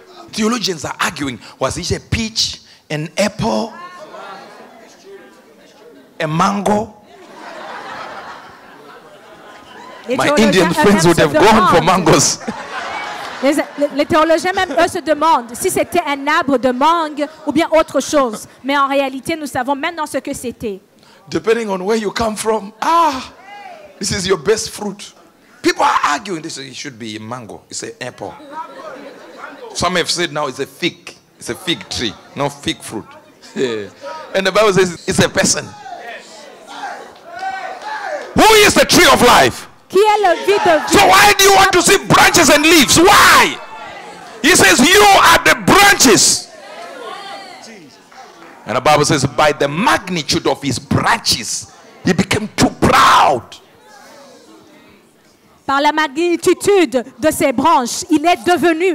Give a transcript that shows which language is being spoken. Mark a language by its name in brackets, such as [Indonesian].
[English] Theologians are arguing, was it a peach, an apple, a mango? My Indian friends would have gone for mangoes. [French] Les théologiens même eux se demandent si c'était un arbre de mangue ou bien autre chose. Mais en réalité, nous savons maintenant ce que c'était. [English] Depending on where you come from, this is your best fruit. People are arguing, they say it should be a mango, it's an apple. Some have said now it's a fig tree, not fig fruit. And the Bible says it's a person. Who is the tree of life? So why do you want to see branches and leaves? Why? He says you are the branches. And the Bible says by the magnitude of his branches, he became too proud. [French] Par la magnitude de ses branches, il est devenu